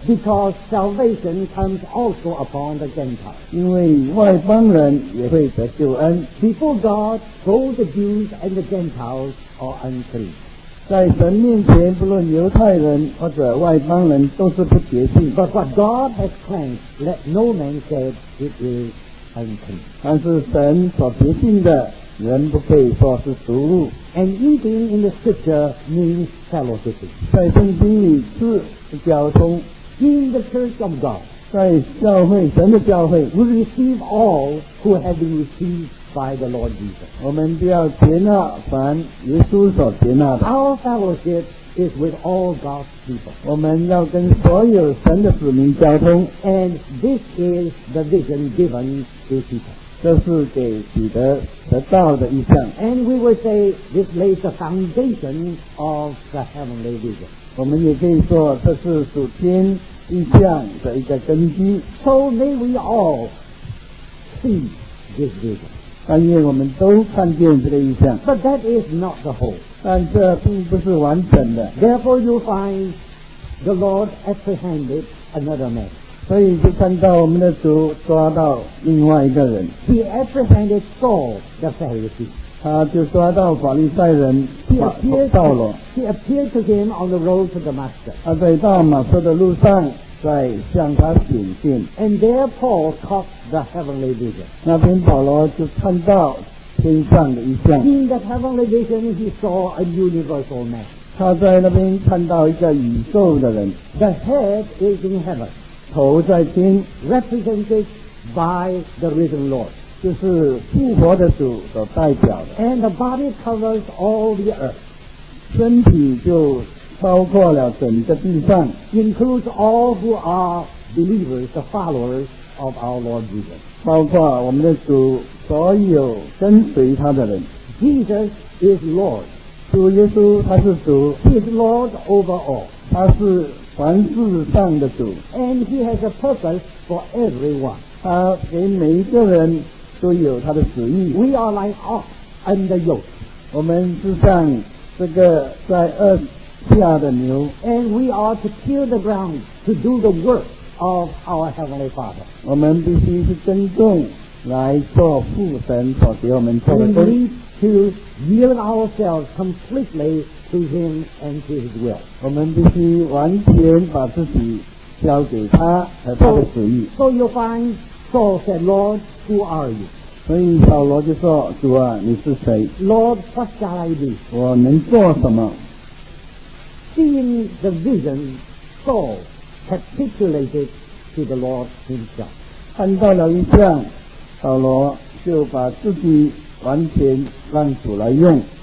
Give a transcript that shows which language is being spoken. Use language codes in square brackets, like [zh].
[en] Because salvation comes also upon the Gentiles. [zh] 因为外邦人也会得救恩。 [en] Before God, both the Jews and the Gentiles are unclean. [zh] 在神面前，不论犹太人或者外邦人，都是不洁净。 [en] But what God has cleansed, let no man say it is unclean. [zh] 但是神所洁净的，人不可以说是俗物。 [en] And eating in the scripture means fellowshipping. [zh] 在圣经里是交通。 [en] In the church of God, [zh] 在教会，神的教会 [en] ，we receive all who have been received. By the Lord Jesus. [zh] 我们就要接纳凡耶稣所接纳的。 [en] Our fellowship is with all God's people. [zh] 我们要跟所有神的子民交通。 [en] And this is the vision given to Peter. [zh] 这是给彼得得到的意象。 [en] And we will say this lays the foundation of the heavenly vision. [zh] 我们也可以说这是属天意象的一个根基。 [en] So may we all see this vision. [zh] 但愿我们都看见这个意象。 [en] But that is not the whole. [zh] 但这并不是完整的。 [en] Therefore you find the Lord apprehended another man. [zh] 所以就看到我们的主抓到另外一个人。 [en] He apprehended Saul, the Pharisee. [zh] 他就抓到法利赛人扫罗。 [en] He appeared to him on the road to Damascus. [zh] 他在大马色的路上在向他显现。 [en] And there Paul caught the heavenly vision. [zh] 那边保罗就看到天上的一象。 [en] In that heavenly vision, he saw a universal man. [zh] 他在那边看到一个宇宙的人。 [en] The head is in heaven. [zh] 头在天。 [en] Represented by the risen Lord. [zh] 就是复活的主所代表的。 [en] And the body covers all the earth. [zh] 身体就包括了整个地上 [en] includes all who are believers, the followers of our Lord Jesus. [zh] 包括我们的主所有跟随他的人 [en] Jesus is Lord. [zh] 主耶稣他是主 [en] He is Lord over all. [zh] 他是凡事上的主 [en] And he has a purpose for everyone. [zh] 他给每一个人都有他的旨意 [en] We are like ox under yoke. [zh] 我们是像这个在二下的牛 [en] and we are to till the ground to do the work of our Heavenly Father. [zh] 我们必须去耕种来做父神所给我们做的工 [en] We need to yield ourselves completely to Him and to His will. [zh] 我们必须完全把自己交给他和他的旨意 [en] So you find Saul said, Lord, who are you? [zh] 所以扫罗就说主啊你是谁 [en] Lord, what shall I do? [zh] 我能做什么 [en] Seeing the vision, Saul capitulated to the Lord himself. [zh] 看到了一项，扫罗就把自己完全让主来用。